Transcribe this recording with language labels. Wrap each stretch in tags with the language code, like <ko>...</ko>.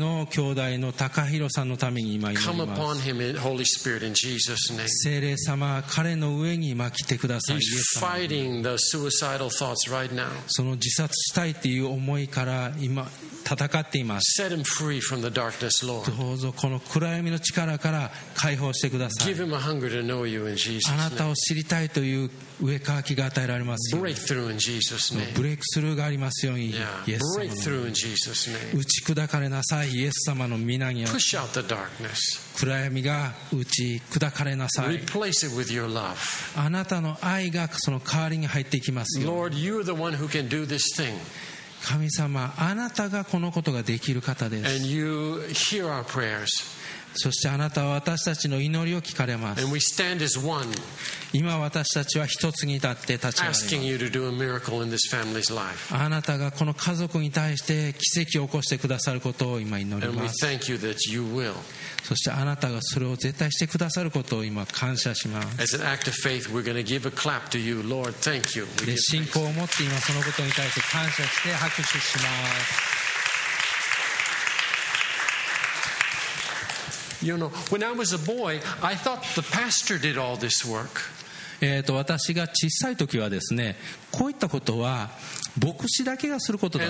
<ja>の兄弟の高弘さんのために今祈ります。聖霊様彼の上に今来てください。</ja> <en>He's fighting the suicidal thoughts right now.</en> <ja>その自殺したいという思いから今戦っています。</ja> <en>Set him free from the darkness, Lord.</en> <ja>どうぞこの暗闇の力から解放してください。</ja> <en>Give him a hunger to know you in Jesus' name.</en> <ja>あなたを知りたいという飢え渇きが与えられますように。</ja> <en>Breakthrough in Jesus' name.</en> <ja>ブレイクスルーがありますように。</ja> <en>Yeah. Breakthrough in Jesus' name.</en> <ja>打ち砕かれなさい。イエス様の御名によって。</ja> <en>Push out the darkness.</en> <ja>暗闇が打ち砕かれなさい。</ja> <en>Replace it with your love.</en> <ja>あなたの愛がその代わりに入っていきますように。</ja> <en>Lord, you are the one who can do this thing.</en> <ja>神様、あなたがこのことができる方です。</ja> <en>And you hear our prayers.</en> <ja>そしてあなたは私たちの祈りを聞かれます。</ja> <en>And we stand as one.</en> <ja>今私たちは一つに立って立ち上がります。</ja> <en>Asking you to do a miracle in this family's life.</en> <ja>あなたがこの家族に対して奇跡を起こしてくださることを今祈ります。</ja> <en>And we thank you that you will.</en> <ja>そしてあなたがそれを絶対してくださることを今感謝します。</ja> <en>As an act of faith, we're going to give a clap to you, Lord. Thank you. We give</en> <ja>信仰を持って今そのことに対して感謝して拍手します。</ja> <en>You know, when I was a boy, I thought the pastor did all this work.</en> <ja>私が小さい時はですね、こういったことは牧師だけがすることだと。</ja>